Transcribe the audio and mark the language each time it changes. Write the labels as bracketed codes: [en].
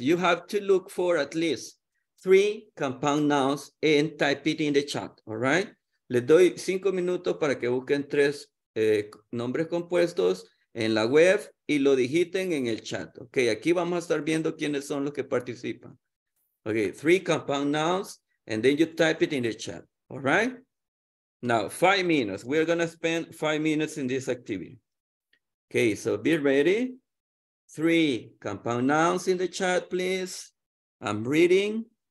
[en] You have to look for at least 3 compound nouns and type it in the chat, all right? [es] Les doy 5 minutos para que busquen 3 nombres compuestos en la web y lo digiten en el chat. Ok, aquí vamos a estar viendo quiénes son los que participan. [en] Ok, 3 compound nouns, and then you type it in the chat. All right? Now, 5 minutes. We're going to spend 5 minutes in this activity. Ok, so be ready. 3 compound nouns in the chat, please. I'm reading.